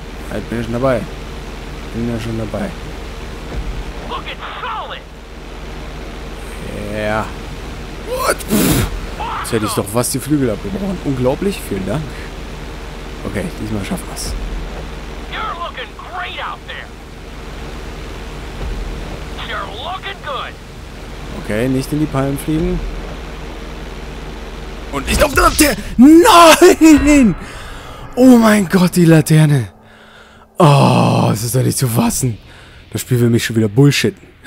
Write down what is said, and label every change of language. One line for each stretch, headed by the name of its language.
German: Halt, bin ich schon dabei.
English: Look, it's solid! Yeah. What?
German: Jetzt hätte ich doch fast die Flügel abgebrochen. Unglaublich, vielen Dank. Okay, diesmal schaffen wir es.
English: You're looking great out there. you're looking good.
German: Okay, nicht in die Palmen fliegen. Und ich glaube, das der. Nein! Oh mein Gott, die Laterne. Oh, es ist doch nicht zu fassen. Das Spiel will mich schon wieder bullshitten.